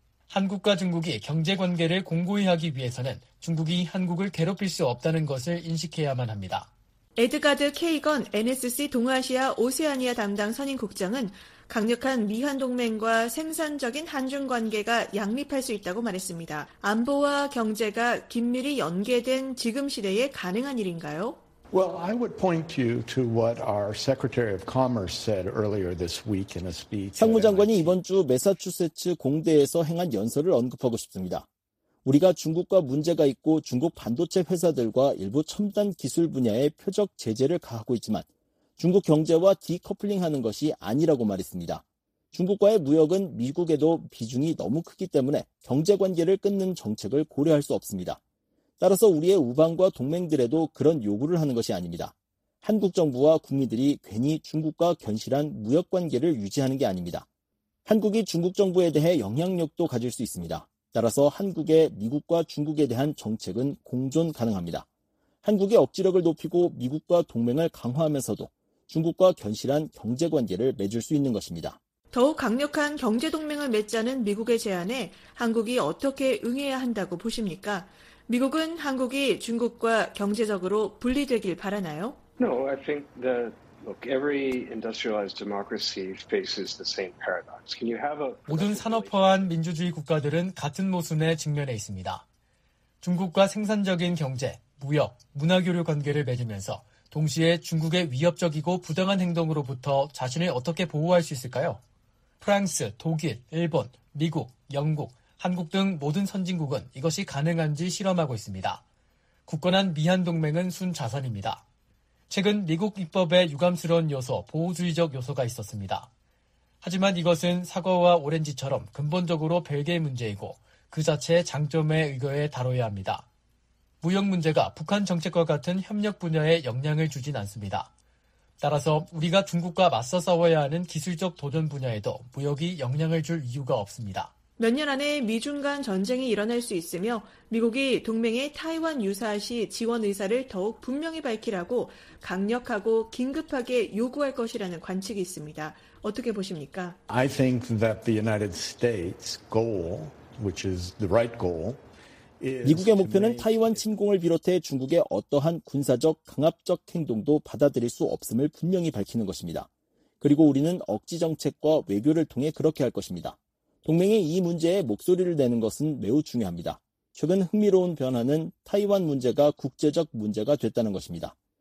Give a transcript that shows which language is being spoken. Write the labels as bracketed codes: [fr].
[ko] 한국과 중국이 경제관계를 공고히 하기 위해서는 중국이 한국을 괴롭힐 수 없다는 것을 인식해야만 합니다. 에드가드 케이건 NSC 동아시아 오세아니아 담당 선임 국장은 강력한 미한동맹과 생산적인 한중관계가 양립할 수 있다고 말했습니다. 안보와 경제가 긴밀히 연계된 지금 시대에 가능한 일인가요? [en] Well, I would point you to what our Secretary of Commerce said earlier this week in a speech. [ko] 상무 장관이 이번 주 매사추세츠 공대에서 행한 연설을 언급하고 싶습니다. 우리가 중국과 문제가 있고 중국 반도체 회사들과 일부 첨단 기술 분야의 표적 제재를 가하고 있지만 중국 경제와 디커플링하는 것이 아니라고 말했습니다. 중국과의 무역은 미국에도 비중이 너무 크기 때문에 경제 관계를 끊는 정책을 고려할 수 없습니다. 따라서 우리의 우방과 동맹들에도 그런 요구를 하는 것이 아닙니다. 한국 정부와 국민들이 괜히 중국과 견실한 무역 관계를 유지하는 게 아닙니다. 한국이 중국 정부에 대해 영향력도 가질 수 있습니다. 따라서 한국의 미국과 중국에 대한 정책은 공존 가능합니다. 한국의 억지력을 높이고 미국과 동맹을 강화하면서도 중국과 견실한 경제 관계를 맺을 수 있는 것입니다. 더욱 강력한 경제 동맹을 맺자는 미국의 제안에 한국이 어떻게 응해야 한다고 보십니까? 미국은 한국이 중국과 경제적으로 분리되길 바라나요? [en] No, I think that look, every industrialized democracy faces the same paradox. Can you have a [ko] 모든 산업화한 민주주의 국가들은 같은 모순에 직면해 있습니다. 중국과 생산적인 경제, 무역, 문화 교류 관계를 맺으면서 동시에 중국의 위협적이고 부당한 행동으로부터 자신을 어떻게 보호할 수 있을까요? 프랑스, 독일, 일본, 미국, 영국, 한국 등 모든 선진국은 이것이 가능한지 실험하고 있습니다. 굳건한 미한 동맹은 순자선입니다. 최근 미국 입법에 유감스러운 요소, 보호주의적 요소가 있었습니다. 하지만 이것은 사과와 오렌지처럼 근본적으로 별개의 문제이고 그 자체의 장점에 의거해 다뤄야 합니다. 무역 문제가 북한 정책과 같은 협력 분야에 영향을 주진 않습니다. 따라서 우리가 중국과 맞서 싸워야 하는 기술적 도전 분야에도 무역이 영향을 줄 이유가 없습니다. 몇 년 안에 미중 간 전쟁이 일어날 수 있으며 미국이 동맹의 타이완 유사시 지원 의사를 더욱 분명히 밝히라고 강력하고 긴급하게 요구할 것이라는 관측이 있습니다. 어떻게 보십니까? [en] I think that the United States' goal, which is the right goal, [ko] 미국의 목표는 타이완 침공을 비롯해 중국의 어떠한 군사적, 강압적 행동도 받아들일 수 없음을 분명히 밝히는 것입니다. 그리고 우리는 억지 정책과 외교를 통해 그렇게 할 것입니다. 동맹이 이 문제에 목소리를 내는 것은 매우 중요합니다. 최근 흥미로운 변화는 타이완 문제가 국제적 문제가 됐다는 것입니다.